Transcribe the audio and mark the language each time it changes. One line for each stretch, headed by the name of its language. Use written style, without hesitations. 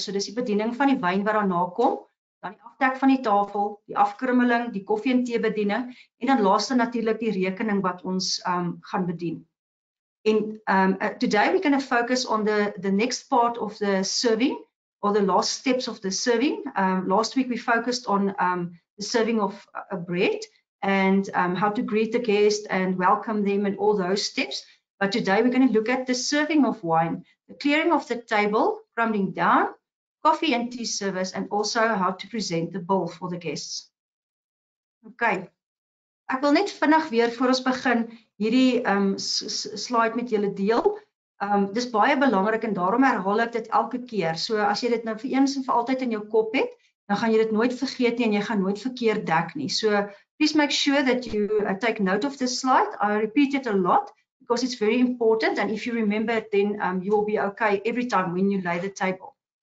Afrikaans: So dis die bediening van die wyn wat daarna kom, dan die afdek van die tafel, die afkrummeling, die koffie en tee bediening en dan laaste natuurlik die rekening wat ons gaan bedien.
English: En today we're going to focus on the next part of the serving or the last steps of the serving. Last week we focused on the serving of a bread and how to greet the guest and welcome them and all those steps. But today we're going to look at the serving of wine, the clearing of the table, crumbling down, coffee and tea service, and also how to present the bill for the guests.
Afrikaans: Okay, ek wil net vinnig weer voor ons begin hierdie slide met julle deel. Dis baie belangrik en daarom herhaal ek dit elke keer. So as jy dit nou vir eens en vir altyd in jou kop het, dan gaan jy dit nooit vergeet nie en jy gaan nooit verkeerd dek nie.
English: So please make sure that you take note of this slide. I repeat it a lot. Because it's very important, and if you remember it, then you will be okay every time when you lay the table.